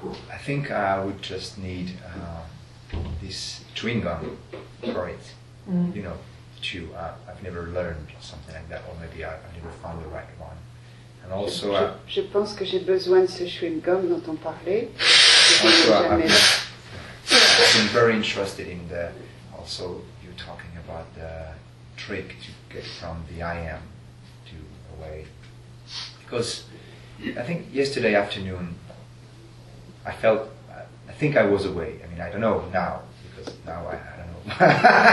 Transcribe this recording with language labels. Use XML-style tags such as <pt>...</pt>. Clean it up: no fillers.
<en>I think I would just need this chewing gum for it. Mm. You know, to I've never learned something like that, or maybe I never found the right one. And also,</en> <fr>je pense que j'ai besoin de ce chewing gum dont on parlait.</fr> <en>I've been very interested in the. Also, you're talking about the trick to get from the I am to away, because I think yesterday afternoon I felt, I think I was away. I mean, I don't know now, because now I don't know.</en>